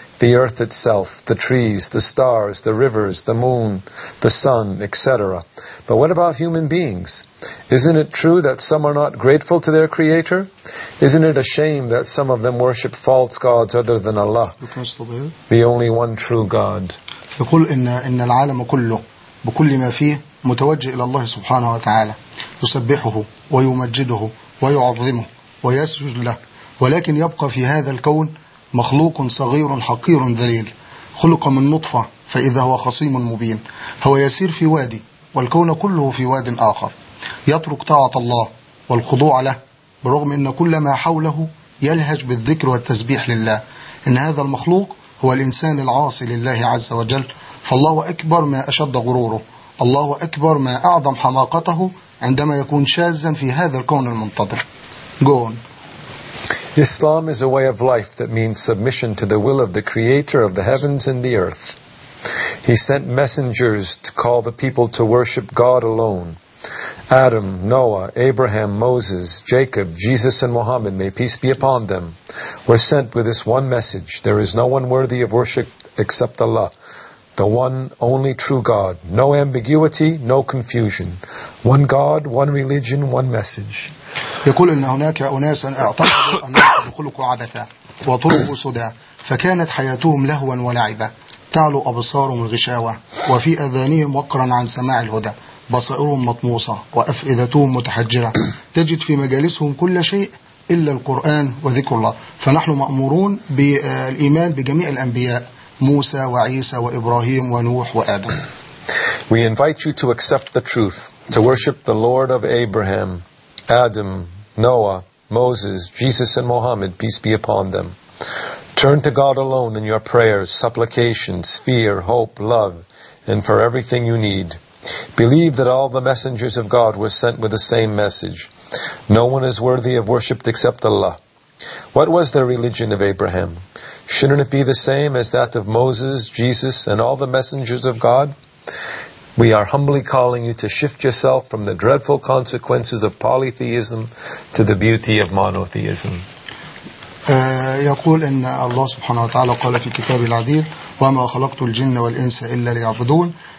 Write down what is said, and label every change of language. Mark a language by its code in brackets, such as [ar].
[en] The earth itself, the trees, the stars, the rivers, the moon, the sun, etc. But what about human beings? Isn't it true that some are not grateful to their Creator? Isn't it a shame that some of them worship false gods other than Allah, the only one true God? [ar] يقول إن العالم كله بكل ما فيه متوجه إلى الله سبحانه وتعالى، يسبحه ويمجده ويعظمه ويسجد له، ولكن يبقى في هذا الكون مخلوق صغير حقير ذليل، خلق من نطفة فإذا هو خصيم مبين. هو يسير في وادي والكون كله في واد آخر، يترك طاعة الله والخضوع له برغم أن كل ما حوله يلهج بالذكر والتسبيح لله. إن هذا المخلوق هو الإنسان العاصي لله عز وجل، فالله أكبر ما أشد غروره، الله أكبر ما أعظم حماقته عندما يكون شاذا في هذا الكون المنتظر. [en] Go on. Islam is a way of life that means submission to the will of the Creator of the heavens and the earth. He sent messengers to call the people to worship God alone. Adam, Noah, Abraham, Moses, Jacob, Jesus, and Muhammad, may peace be upon them, were sent with this one message: there is no one worthy of worship except Allah, the one only true God. No ambiguity, no confusion. One God, one religion, one message. [ar] يقول إن هناك أناسا اعتقدوا أنهم خلقوا عبثا وطرقوا سدى، فكانت حياتهم لهوا ولعبا، تعلو أبصارهم الغشاوة وفي أذانهم وقرا عن سماع الهدى، بصائرهم مطموسة وأفئدتهم متحجرة، تجد في مجالسهم كل شيء إلا القرآن وذكر الله. فنحن مأمورون بالإيمان بجميع الأنبياء موسى وعيسى وإبراهيم ونوح وآدم. [en] We invite you to accept the truth, to worship the Lord of Abraham, Adam, Noah, Moses, Jesus, and Muhammad, peace be upon them. Turn to God alone in your prayers, supplications, fear, hope, love, and for everything you need. Believe that all the messengers of God were sent with the same message: no one is worthy of worship except Allah. What was the religion of Abraham? Shouldn't it be the same as that of Moses, Jesus, and all the messengers of God? We are humbly calling you to shift yourself from the dreadful consequences of polytheism to the beauty of monotheism. [ar] يقول إن الله سبحانه وتعالى قال في الكتاب العديد: وما خلقت الجن والإنس إلا ليعبدون.